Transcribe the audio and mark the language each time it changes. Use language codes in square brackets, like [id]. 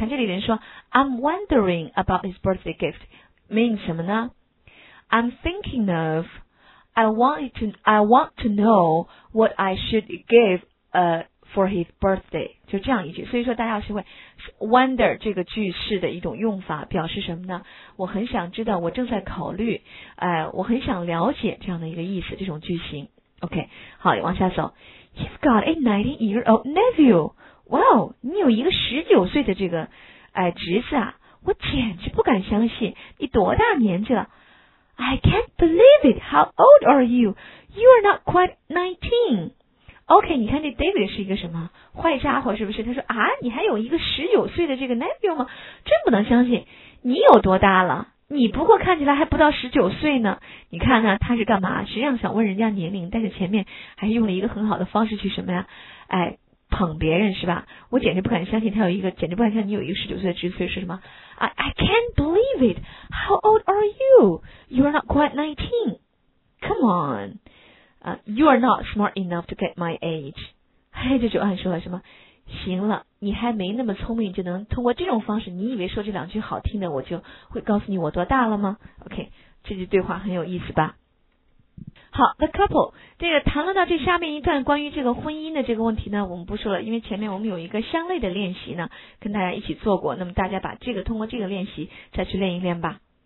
[zh] 你看这里人说 [en] I'm wondering about his birthday gift means [zh] 什么呢？ [en] I'm thinking of I want to know what I should give for his birthday, [zh] 就这样一句。所以说大家要学会 wonder 这个句式的一种用法，表示什么呢？我很想知道，我正在考虑，我很想了解，这样的一个意思，这种句型。 [en] OK, [zh] 好，往下走。 [en] He's got a 19-year-old nephew. [zh] Wow, 你有一个19岁的这个侄子啊，我简直不敢相信，你多大年纪了？ [en] I can't believe it. How old are you? You are not quite 19. [zh] OK, 你看这 David 是一个什么坏家伙，是不是？他说啊，你还有一个19岁的这个 nephew 吗？真不能相信，你有多大了？你不过看起来还不到19岁呢。你看呢，他是干嘛？实际上想问人家年龄，但是前面还是用了一个很好的方式去什么呀，哎，捧别人是吧？我简直不敢相信他有一个，简直不敢相信你有一个19岁的侄子，是什么？ [en] I can't believe it. How old are you? You're not quite 19. Come on. You are not smart enough to get my age. [zh] 哎，这就按说了什么？行了，你还没那么聪明，就能通过这种方式？你以为说这两句好听的，我就会告诉你我多大了吗 ？OK, 这句对话很有意思吧？好 ，the couple 这个谈论到这下面一段关于这个婚姻的这个问题呢，我们不说了，因为前面我们有一个相类的练习呢，跟大家一起做过，那么大家把这个通过这个练习再去练一练吧。